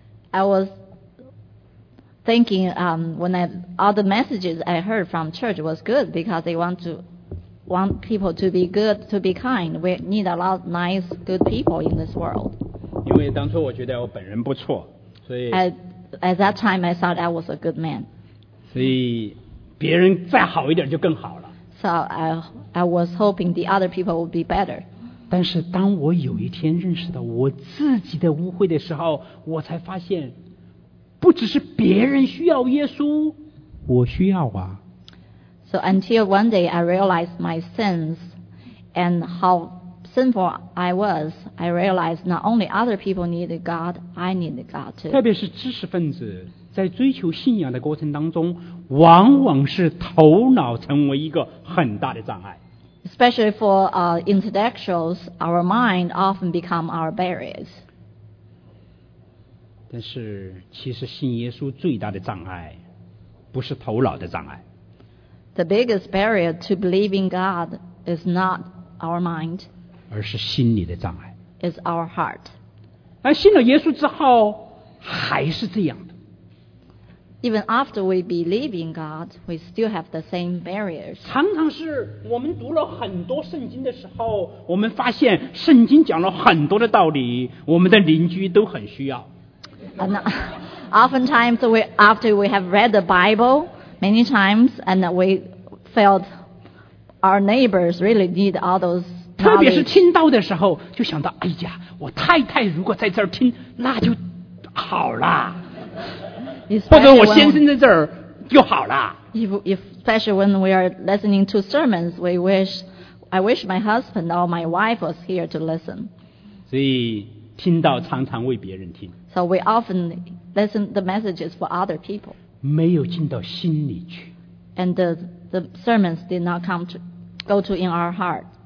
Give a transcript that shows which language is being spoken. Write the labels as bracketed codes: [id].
[en] I was thinking when all the messages I heard from church was good because they want people to be good, to be kind. We need a lot of nice good people in this world. [zh] 因为当初我觉得我本人不错，所以 [en] At that time, I thought I was a good man. [zh] 所以别人再好一点就更好了。 [en] So I was hoping the other people would be better. [zh] 但是当我有一天认识到我自己的污秽的时候，我才发现不只是别人需要耶稣，我需要啊。 [en] So until one day I realized my sins and how sinful I was, I realized not only other people needed God, I needed God too. [zh] 特别是知识分子在追求信仰的过程当中，往往是头脑成为一个很大的障碍。 [en] Especially for intellectuals, our mind often become our barriers. [zh] 但是其实信耶稣最大的障碍不是头脑的障碍。 [en] The biggest barrier to believing God is not our mind. [zh] 而是心里的障碍。 [en] Is our heart. [zh] 而信了耶稣之后还是这样的。 [en] Even after we believe in God, we still have the same barriers. [zh] 常常是我们读了很多圣经的时候，我们发现圣经讲了很多的道理，我们的邻居都很需要。 [en] And oftentimes after we have read the Bible many times, and we felt our neighbors really need all those. [zh] 特别是听到的时候就想到，哎呀，我太太如果在这儿听那就好了，或者我先生在这儿就好了。 [en] especially when we are listening to sermons, we wish I wish my husband or my wife was here to listen. [zh] 所以听到常常为别人听。 [en] So we often listen the messages for other people. [zh] 没有进到心里去。 [en] And the sermons did not come to go to in our heart.